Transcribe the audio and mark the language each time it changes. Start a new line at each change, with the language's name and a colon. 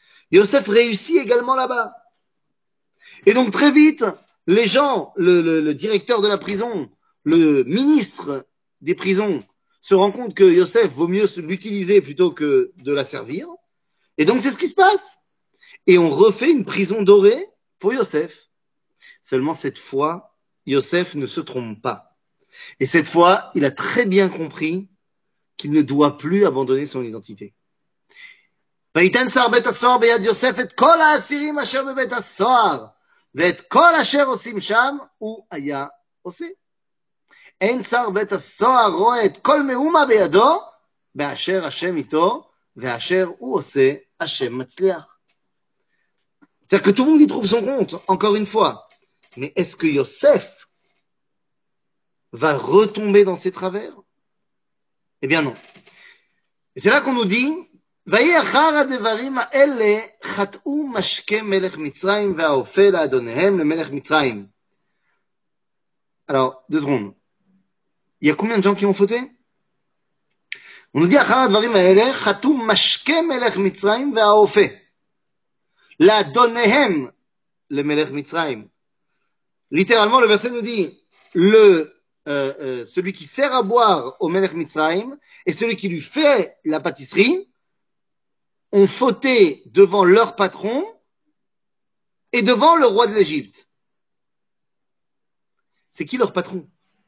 French: Yosef réussit également là-bas. Et donc très vite, les gens, le directeur de la prison, le ministre des prisons, se rend compte que Yosef vaut mieux l'utiliser plutôt que de la servir. Et donc c'est ce qui se passe. Et on refait une prison dorée pour Yosef. Seulement cette fois, Yosef ne se trompe pas. Et cette fois, il a très bien compris qu'il ne doit plus abandonner son identité.
Hebrew: ויתן שר בית הסוהר ביד יוסף את כל האסירים אשר בבית הסוהר ואת כל אשר עושים שם הוא היה עושה. אין שר בית הסוהר רואה את כל מאומה בידו באשר השם איתו ואשר הוא עושה השם מצליח.
French: C'est que tout le monde y trouve son compte, encore une fois. Mais est-ce que Yosef va retomber dans ses travers ? Eh bien non. Et c'est là qu'on nous dit
Hebrew: ויהי אחר הדברים האלה חטאו משקה מלך מצרים והאופה לאדוניהם למלך מצרים.
French: Alors, deux secondes. Il y a combien de gens qui ont fauté? On nous dit,
Hebrew: אחר הדברים האלה חטאו משקה מלך מצרים והאופה לאדוניהם למלך מצרים.
French: Littéralement, le verset nous dit, celui qui sert à boire au
Hebrew: מלך מצרים
French: et celui qui lui fait la pâtisserie, ont fauté devant leur patron et devant le roi de l'Égypte. C'est qui leur patron ?